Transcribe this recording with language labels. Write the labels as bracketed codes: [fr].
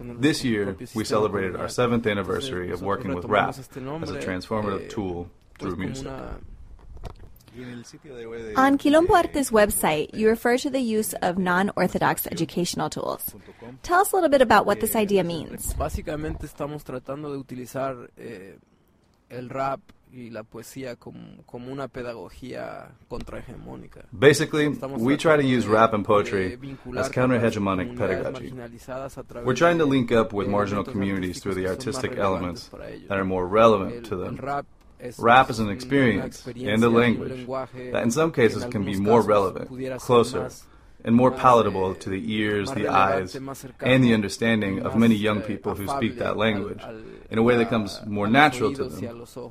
[en] This year, we celebrated our 7th anniversary of working with rap as a transformative tool through music. On Quilombo Arte's website, you refer to the use of non-orthodox educational tools. Tell us a little bit about what this idea means. [es] Básicamente estamos tratando de utilizar el rap y la poesía como una pedagogía contrahegemónica. [en] Basically, we try to use rap and poetry as counter-hegemonic pedagogy. We're trying to link up with marginal communities through the artistic elements that are more relevant to them. Rap is an experience and a language that in some cases can be more relevant, closer, and more palatable to the ears, the eyes, and the understanding of many young people who speak that language in a way that comes more natural to them.